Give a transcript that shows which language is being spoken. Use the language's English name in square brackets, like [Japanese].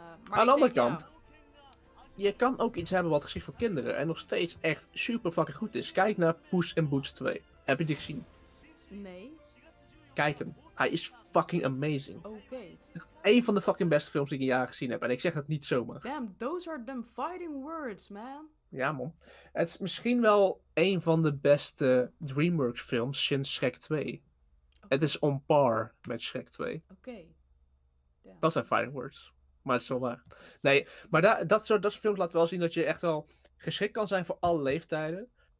[Dutch] Aan de andere kant, je kan ook iets hebben wat geschikt voor kinderen en nog steeds echt super fucking goed is. Kijk naar Puss in Boots 2. Heb je die gezien? Nee. Kijk hem. Hij is [English] fucking amazing. [Dutch] Oké. Eén van de fucking beste films die ik in jaren gezien heb. En ik zeg dat niet zomaar. [English] Damn, those are them fighting words, man. [Dutch] Ja, man. Het is misschien wel een van de beste DreamWorks films sinds Shrek 2. Okay. Het is on par met Shrek 2. Oké. Okay. Dat zijn [English] fine words. [Dutch] Maar het is wel waar. Nee, maar dat soort films laat wel zien dat je echt wel geschikt kan zijn voor alle leeftijden.